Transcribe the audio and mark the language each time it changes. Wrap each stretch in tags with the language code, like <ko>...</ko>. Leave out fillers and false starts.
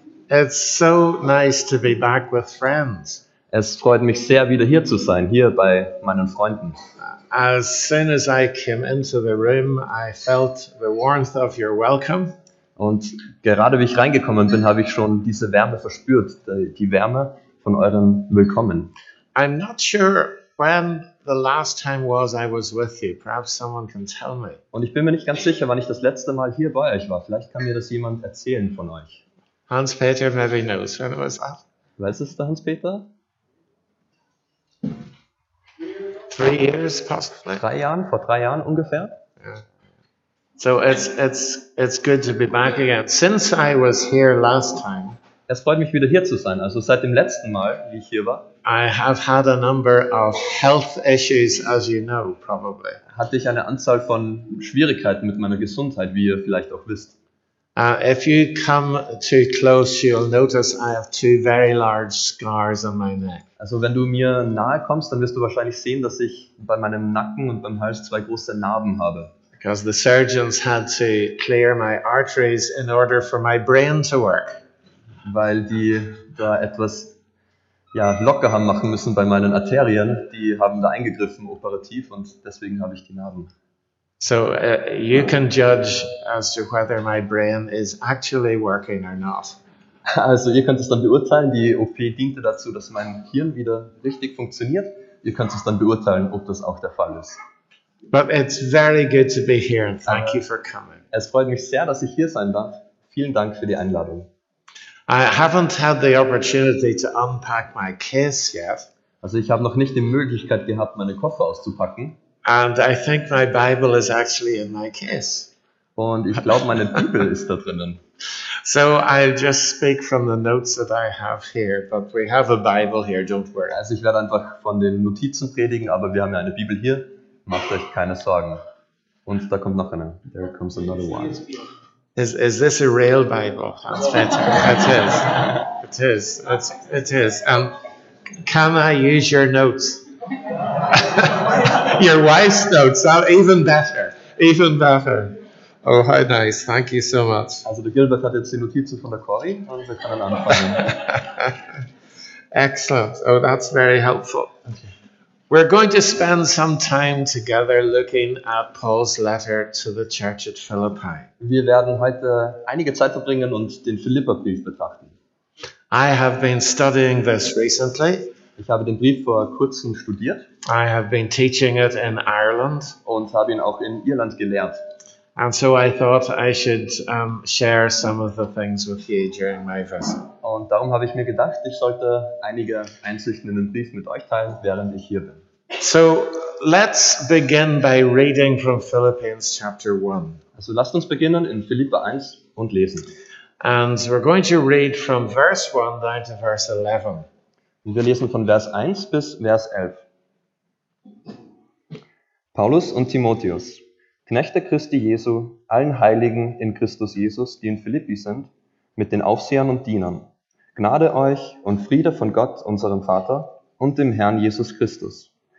<en>It's so nice to be back with friends.</en> <de>Es freut mich sehr, wieder hier zu sein, hier bei meinen Freunden.</de> <en>As soon as I came into the room, I felt the warmth of your welcome.</en> <de>Und gerade wie ich reingekommen bin, habe ich schon diese Wärme verspürt, die Wärme von eurem Willkommen.</de> <en>I'm not sure when the last time was I was with you. Perhaps someone can tell me.</en> <de>Und ich bin mir nicht ganz sicher, wann ich das letzte Mal hier bei euch war. Vielleicht kann mir das jemand erzählen von euch.</de> <en>Hans-Peter maybe knows when it was that.</en> <de>Weiß es der Hans-Peter?</de> <en>3 years, possibly.</en> <de>3 Jahren, vor 3 Jahren ungefähr.</de> <en>Yeah. So it's good to be back again. Since I was here last time.</en> <de>Es freut mich wieder hier zu sein. Also seit dem letzten Mal, wie ich hier war.</de> <en>I have had a number of health issues, as you know, probably.</en> <de>Hatte ich eine Anzahl von Schwierigkeiten mit meiner Gesundheit, wie ihr vielleicht auch wisst.</de> <en>If you come too close, you'll notice I have 2 very large scars on my neck.</en> <de>Also wenn du mir nahe kommst, dann wirst du wahrscheinlich sehen, dass ich bei meinem Nacken und beim Hals 2 große Narben habe.</de> <en>Because the surgeons had to clear my arteries in order for my brain to work.</en> <de>Weil die da etwas locker haben machen müssen bei meinen Arterien. Die haben da eingegriffen operativ und deswegen habe ich die Narben.</de> <en>So you can judge as to whether my brain is actually working or not.</en> <de>Also ihr könnt es dann beurteilen, die OP diente dazu, dass mein Hirn wieder richtig funktioniert. Ihr könnt es dann beurteilen, ob das auch der Fall ist.</de> <en>But it's very good to be here and thank you for coming.</en> <de>Es freut mich sehr, dass ich hier sein darf. Vielen Dank für die Einladung.</de> <en>I haven't had the opportunity to unpack my case yet.</en> <de>Also ich habe noch nicht die Möglichkeit gehabt, meine Koffer auszupacken.</de> <en>And I think my Bible is actually in my case.</en> <de>Und ich glaube, meine Bibel ist da drinnen.</de> <en>So I'll just speak from the notes that I have here, but we have a Bible here, don't worry.</en> <de>Also ich werde einfach von den Notizen predigen, aber wir haben ja eine Bibel hier. Macht euch keine Sorgen. Und da kommt noch eine.</de> <en>There comes another one. Is this a real Bible? That's better. It is. Can I use your notes? Your wife's notes. Even better. Oh, how nice. Thank you so much.</en> <de>Also, der Gilbert hat jetzt die Notizen von der Cori und wir können anfangen.</de> <en>Excellent. Oh, that's very helpful. We're going to spend some time together looking at Paul's letter to the church at Philippi.</en> <de>Wir werden heute einige Zeit verbringen und den Philipperbrief betrachten.</de> <en>I have been studying this recently.</en> <de>Ich habe den Brief vor kurzem studiert.</de> <en>I have been teaching it in Ireland.</en> <de>Und habe ihn auch in Irland gelehrt.</de> <en>And so I thought I should share some of the things with you during my visit.</en> <de>Und darum habe ich mir gedacht, ich sollte einige Einsichten in den Brief mit euch teilen, während ich hier bin.</de> <en>So let's begin by reading from Philippians chapter 1.</en> <de>Also lasst uns beginnen in Philipper 1 und lesen.</de> <en>And we're going to read from verse 1 down to verse 11.</en> <de>Und wir lesen von Vers 1 bis Vers 11. Paulus und Timotheus, Knechte Christi Jesu, allen Heiligen in Christus Jesus, die in Philippi sind, mit den Aufsehern und Dienern, Gnade euch und Friede von Gott, unserem Vater, und dem Herrn Jesus Christus.</de>